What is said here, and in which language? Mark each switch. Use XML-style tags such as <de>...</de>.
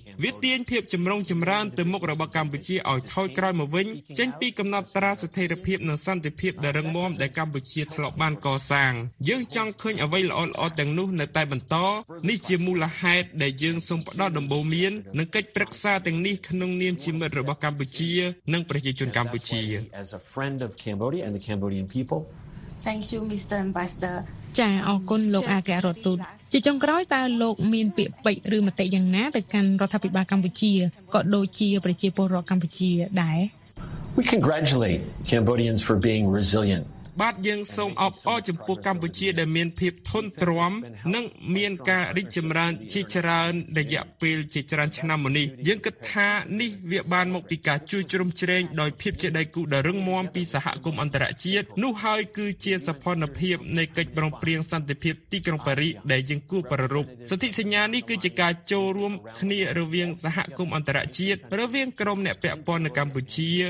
<km>វាទាញភាពចម្រុងចម្រើនទៅមុខរបស់កម្ពុជាឲ្យថយក្រោយមកវិញចេញពីកំណត់ត្រាស្ថិរភាពនិងសន្តិភាពដែលរឹងមាំដែលកម្ពុជាធ្លាប់បានកសាងយើងចង់ឃើញអ្វីល្អៗទាំងនោះនៅតែបន្តនេះជាមូលហេតុដែលយើងសូមផ្ដល់ដំបូន្មាននិងកិច្ចប្រឹក្សាទាំងនេះក្នុងនាមជាមិត្តរបស់កម្ពុជានិងប្រជាជនកម្ពុជា</km> <en>As a friend of Cambodia and the Cambodian people Thank you Mr.</en> <km>Ambassador ចា៎អរគុណលោកអគ្គរដ្ឋទូតជាចុងក្រោយតើលោកមានពាក្យពេចន៍ឬមតិយ៉ាងណាទៅកាន់រដ្ឋាភិបាលកម្ពុជាក៏ដូចជាប្រជាពលរដ្ឋកម្ពុជាដែរ</km> <en>We congratulate Cambodians for being resilient</en> <km>បាទយើងសូមអបអរចំពោះកម្ពុជាដែលមានភាពធន់ទ្រាំនិងមានការរីកចម្រើនជាច្រើនរយៈពេលជាច្រើនឆ្នាំមកនេះយើងគិតថានេះវាបានមកពីការជួយជ្រោមជ្រែងដោយភាពជាដៃគូដ៏រឹងមាំពីសហគមន៍អន្តរជាតិនោះហើយគឺជាសភនភាពនៃកិច្ចប្រឹងប្រែងសន្តិភាពទីក្រុងប៉ារីសដែលយើងគួរប្រារព្ធសន្ធិសញ្ញានេះគឺជាការចូលរួមគ្នារវាងសហគមន៍អន្តរជាតិរវាងក្រុមអ្នកពាក់ព័ន្ធនៅកម្ពុជា</km>